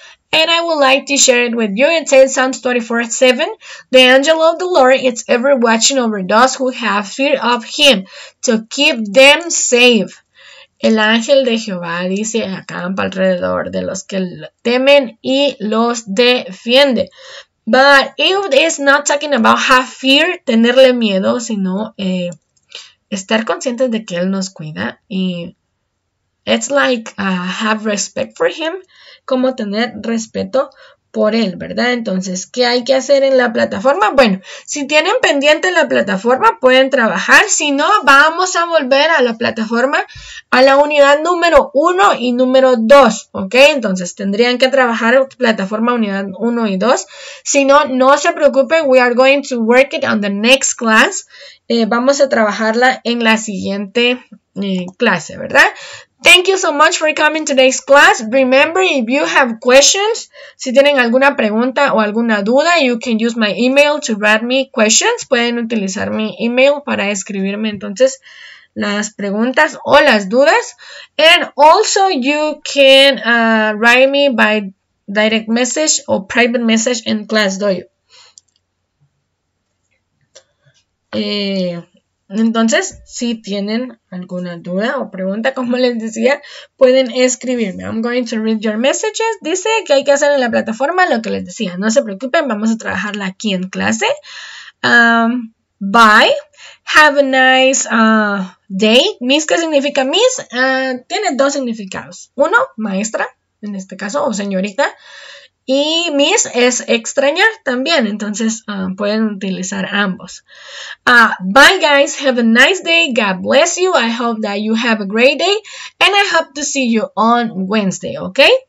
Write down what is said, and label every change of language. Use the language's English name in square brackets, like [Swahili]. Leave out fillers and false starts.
[English] And I would like to share it with you. It says Psalms 24:7, the angel of the Lord is ever watching over those who have fear of him to keep them safe. [Spanish] El ángel de Jehová dice, acampa alrededor de los que temen y los defiende. [English] But if it's not talking about have fear, [Spanish] tenerle miedo, sino estar conscientes de que él nos cuida. Y [English] it's like have respect for him, [Spanish] como tener respeto por él, ¿verdad? Entonces, ¿qué hay que hacer en la plataforma? Bueno, si tienen pendiente la plataforma, pueden trabajar. Si no, vamos a volver a la plataforma, a la unidad número 1 y número 2, ¿ok? Entonces, tendrían que trabajar plataforma unidad 1 y 2. Si no, no se preocupen, [English] we are going to work it on the next class. [Spanish] Vamos a trabajarla en la siguiente clase, ¿verdad? [English] Thank you so much for coming today's class. Remember, if you have questions, [Spanish] si tienen alguna pregunta o alguna duda, [English] you can use my email to write me questions. [Spanish] Pueden utilizar mi email para escribirme entonces las preguntas o las dudas. [English] And also, you can write me by direct message or private message in class, do you? [Spanish] Entonces, si tienen alguna duda o pregunta, como les decía, pueden escribirme. [English] I'm going to read your messages. [Spanish] Dice que hay que hacer en la plataforma lo que les decía. No se preocupen, vamos a trabajarla aquí en clase. [English] Bye. Have a nice day. [Spanish] Miss, ¿qué significa Miss? Tiene dos significados. Uno, maestra, en este caso, o señorita. Y Miss es extrañar también, entonces pueden utilizar ambos. [English] Bye guys, have a nice day, God bless you, I hope that you have a great day, and I hope to see you on Wednesday, ¿ok?